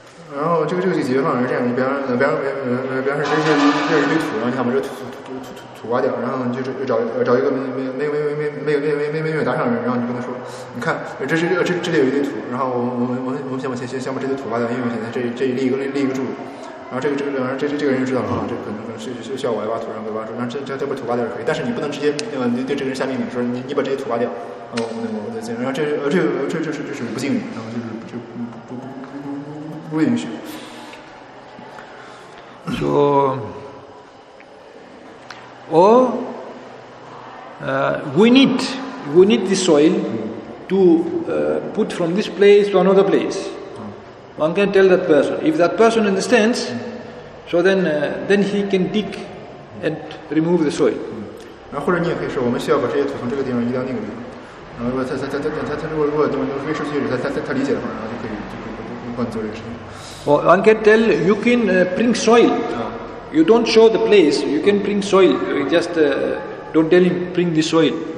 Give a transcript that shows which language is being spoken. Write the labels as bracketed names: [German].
[Chinese] 然后这个解决方法是这样，你比方说这是一堆土，然后你想把这土挖掉，然后你就找一个没有打赏的人，然后你跟他说，你看这里有一堆土，然后我们先把这堆土挖掉，因为我现在这里立一个柱子。然后这个人就知道了，这可能是需要我来挖土，然后挖出，然后这把土挖掉也可以，但是你不能直接对这个人下命令，说你把这些土挖掉，我再进，然后这是不敬礼，然后就不允许。 [English] So, we need this soil to put from this place to another place. One can tell that person if that person understands. So then he can dig and remove the soil. [Chinese] 然后或者你也可以说，我们需要把这些土从这个地方移到那个地方。然后他如果那么未受拒绝，他理解的话，然后就可以帮你做这个事情。 [English] Or one can tell you can bring soil. You don't show the place. You can bring soil. You just don't tell him bring the soil.